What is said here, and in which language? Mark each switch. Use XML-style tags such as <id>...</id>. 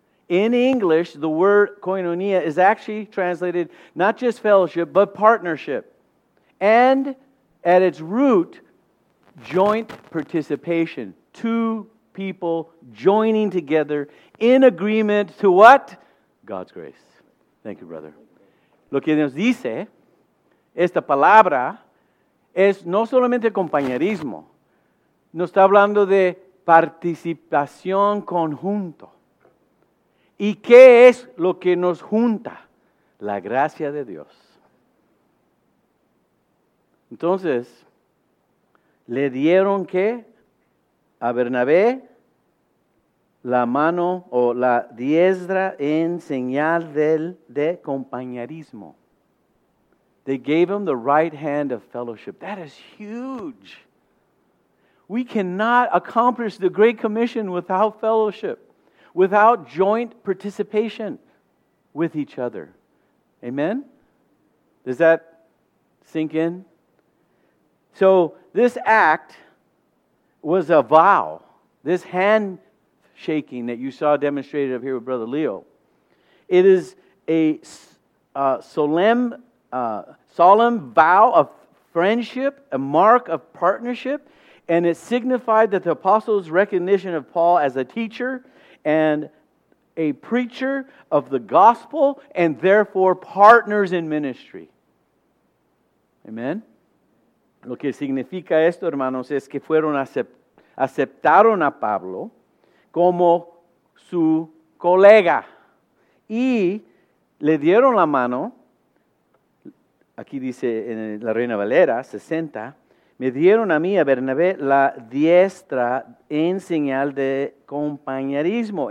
<en>In English, the word koinonia is actually translated not just fellowship, but partnership. And at its root, joint participation. Two people joining together in agreement to what? God's grace. Thank you, brother.</en> <es>Lo que nos dice esta palabra es no solamente compañerismo. Nos está hablando de participación conjunto. ¿Y qué es lo que nos junta? La gracia de Dios. Entonces, ¿le dieron qué? A Bernabé, la mano o la diestra en señal de compañerismo.</es> <en>They gave him the right hand of fellowship. That is huge. We cannot accomplish the Great Commission without fellowship, without joint participation with each other. Amen? Does that sink in? So this act was a vow. This hand shaking that you saw demonstrated up here with Brother Leo. It is a solemn vow of friendship, a mark of partnership, and it signified that the apostles' recognition of Paul as a teacher and a preacher of the gospel, and therefore partners in ministry. Amen.</en> <es>Lo que significa esto, hermanos, es que fueron aceptaron a Pablo como su colega y le dieron la mano. Aquí dice en la Reina Valera, 60, me dieron a mí, a Bernabé, la diestra en señal de compañerismo.</es>